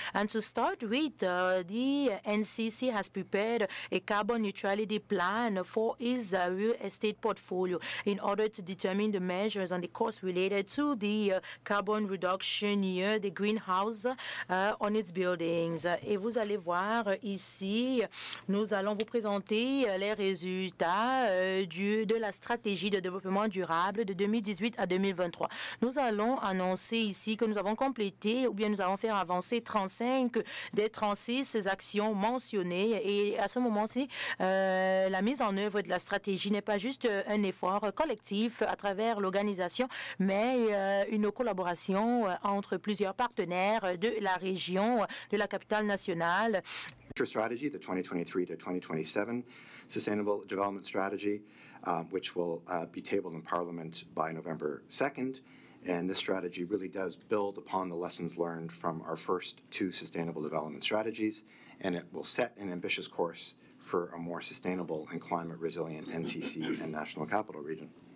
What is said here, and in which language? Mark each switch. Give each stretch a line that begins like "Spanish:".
English: And to start with, the NCC has prepared a carbon neutrality plan for its real estate portfolio in order to determine the measures and the costs related to the carbon reduction year, the greenhouse on its building.
French: Et vous allez voir ici, nous allons vous présenter les résultats de la stratégie de développement durable de 2018 à 2023. Nous allons annoncer ici que nous avons complété ou bien nous allons faire avancer 35 des 36 actions mentionnées. Et à ce moment-ci, la mise en œuvre de la stratégie n'est pas juste un effort collectif à travers l'organisation, mais une collaboration entre plusieurs partenaires de la région, de la capitale nationale.
English: Future strategy, the 2023 to 2027 Sustainable Development Strategy, which will be tabled in Parliament by November 2nd. And this strategy really does build upon the lessons learned from our first two Sustainable Development Strategies, and it will set an ambitious course for a more sustainable and climate resilient NCC and National Capital Region.